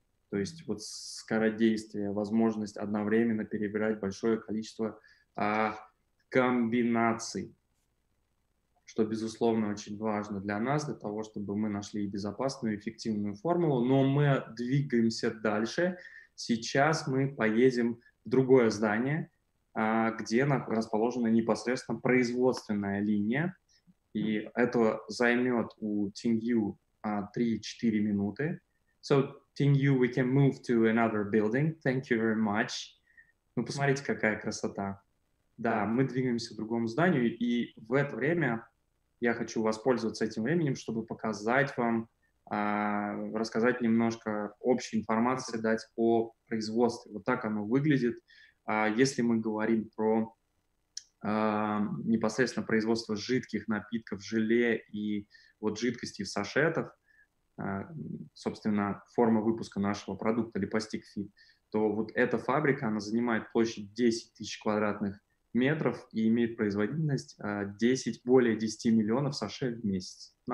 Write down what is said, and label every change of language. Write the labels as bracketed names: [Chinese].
[Russian] То есть вот скородействие, возможность одновременно перебирать большое количество комбинаций, что, безусловно, очень важно для нас, для того, чтобы мы нашли безопасную, эффективную формулу. Но мы двигаемся дальше. Сейчас мы поедем в другое здание, где расположена непосредственно производственная линия. И это займет у Тингью 3-4 минуты. [English] So, Tingyu, we can move to another building. Thank you very much. [Russian] Ну, посмотрите, какая красота. Да, мы двигаемся к другому зданию, и в это время я хочу воспользоваться этим временем, чтобы показать вам, рассказать немножко общей информации, дать о производстве. Вот так оно выглядит. Если мы говорим про непосредственно производство жидких напитков, желе и вот жидкости в сашетах, собственно, форма выпуска нашего продукта LipoStickFit, то вот эта фабрика, она занимает площадь 10 тысяч квадратных метров и имеет производительность 10, более 10 миллионов сашей в месяц.